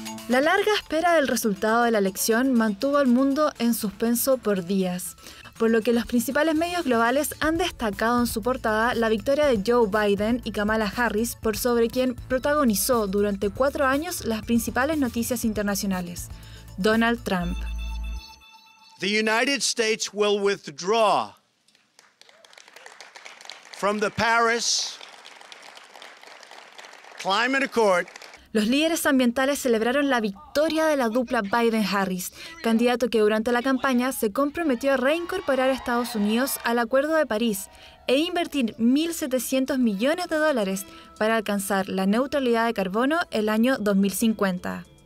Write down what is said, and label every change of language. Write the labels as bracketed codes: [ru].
[es] La larga espera del resultado de la elección mantuvo al mundo en suspenso por días, por lo que los principales medios globales han destacado en su portada la victoria de Joe Biden y Kamala Harris por sobre quien protagonizó durante 4 años las principales noticias internacionales, Donald Trump. [en] The United States will withdraw from the Paris Climate Accord. [es] Los líderes ambientales celebraron la victoria de la dupla Biden-Harris, candidato que durante la campaña se comprometió a reincorporar a Estados Unidos al Acuerdo de París e invertir 1.700 millones de dólares para alcanzar la neutralidad de carbono el año 2050.